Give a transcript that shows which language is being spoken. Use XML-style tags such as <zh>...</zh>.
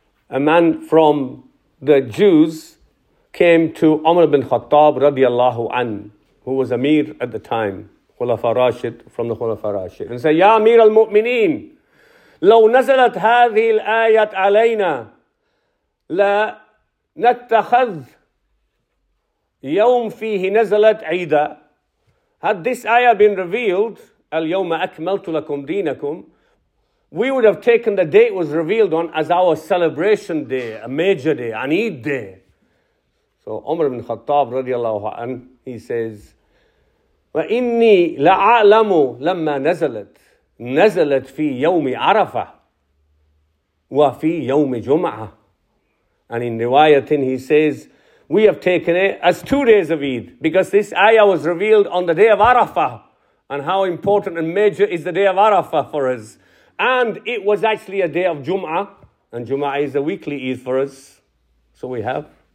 <en>a man from the Jews, came to Umar ibn Khattab radiallahu an, who was Amir at the time, Khulafa Rashid, from the Khulafa Rashid, and said, Ya Amir al-Mu'mineen,</en> <ar>لو نزلت هذه الآية علينا لا نتخذ يوم فيه نزلت عيدا.</ar> <en>Had this ayah been revealed,</en> <ar>اليوم أكملت لكم دينكم,</ar> <en>we would have taken the day it was revealed on as our celebration day, a major day, an Eid day. So Umar ibn Khattab radiallahu anhu, he says,</en> <ar>وإني لأعلم لما نزلت نزلت في يوم عرفة وفي يوم جمعة.</ar> <en>And in riwayatin he says, we have taken it as 2 days of Eid, because this ayah was revealed on the day of Arafah, and how important and major is the day of Arafah for us. And it was actually a day of Jum'ah, and Jum'ah is a weekly Eid for us. So we have.</en>